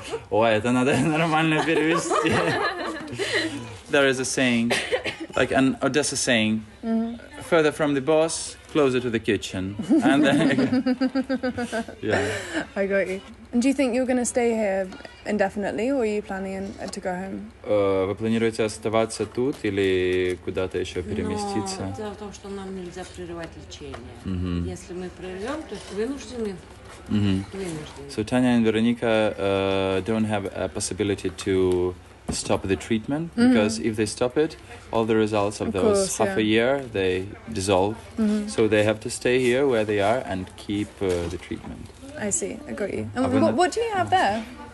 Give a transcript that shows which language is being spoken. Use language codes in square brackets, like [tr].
[ru] Ой, это надо нормально перевести. [en] There is a saying, like an Odessa saying, mm-hmm. further from the boss, closer to the kitchen. And then, yeah. I got you. And do you think you're going to stay here indefinitely, or are you planning to go home? [ru] Вы планируете оставаться тут или куда-то еще переместиться? Но дело в том, что нам нельзя прерывать лечение. Если мы прервем, то вынуждены. Mm-hmm. Вынуждены. [en] So Tanya and Veronika don't have a possibility to stop the treatment, mm-hmm. because if they stop it, all the results of those course, half yeah. a year, they dissolve. Mm-hmm. So they have to stay here where they are and keep the treatment. I see, I got you. And what do you have there?